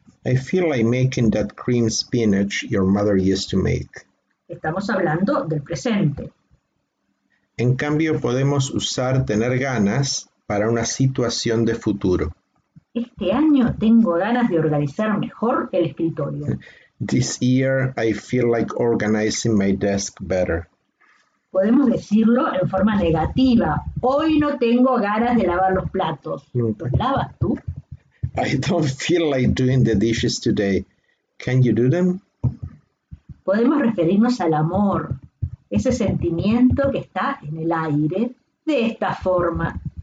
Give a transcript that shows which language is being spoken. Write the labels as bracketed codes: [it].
[en] I feel like making that cream spinach your mother used to make. [es] Estamos hablando del presente. En cambio, podemos usar tener ganas para una situación de futuro. Este año tengo ganas de organizar mejor el escritorio. This year I feel like organizing my desk better. Podemos decirlo en forma negativa. Hoy no tengo ganas de lavar los platos. ¿Los lavas tú? [en] I don't feel like doing the dishes today. Can you do them? [es] Podemos referirnos al amor, ese sentimiento que está en el aire, de esta forma.